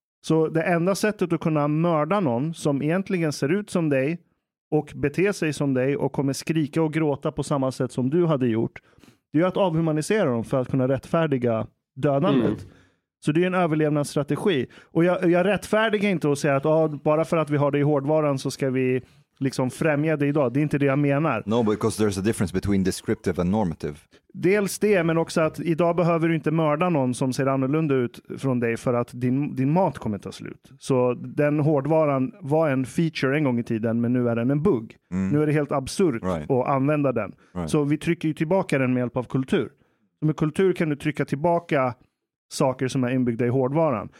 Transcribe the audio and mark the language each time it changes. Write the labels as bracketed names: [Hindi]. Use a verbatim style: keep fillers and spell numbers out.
[Swedish] Så det enda sättet att kunna mörda någon som egentligen ser ut som dig och beter sig som dig och kommer skrika och gråta på samma sätt som du hade gjort, det är ju att avhumanisera dem för att kunna rättfärdiga dödandet. Mm. Så det är en överlevnadsstrategi. Och jag, jag rättfärdigar inte att säga att ah, bara för att vi har det i hårdvaran så ska vi liksom främja det idag. Det är inte det jag menar. [English] No, because there's a difference between descriptive and normative. [Swedish] Dels det, men också att idag behöver du inte mörda någon som ser annorlunda ut från dig för att din, din mat kommer ta slut. Så den hårdvaran var en feature en gång i tiden, men nu är den en bugg. Mm. Nu är det helt absurt [English] right. [Swedish] att använda den. [English] Right. [Swedish] Så vi trycker ju tillbaka den med hjälp av kultur. Så med kultur kan du trycka tillbaka saker som är inbyggda i hårdvaran.